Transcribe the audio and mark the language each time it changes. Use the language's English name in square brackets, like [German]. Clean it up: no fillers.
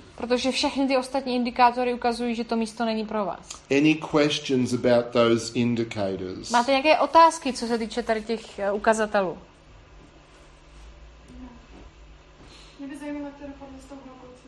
[Czech] Protože všechny ty ostatní indikátory ukazují, že to místo není pro vás. [English] Any questions about those indicators? [Czech] Máte nějaké otázky, co se týče tady těch ukazatelů? Mě by zajímalo, jak to dopadlo s tou hlukou,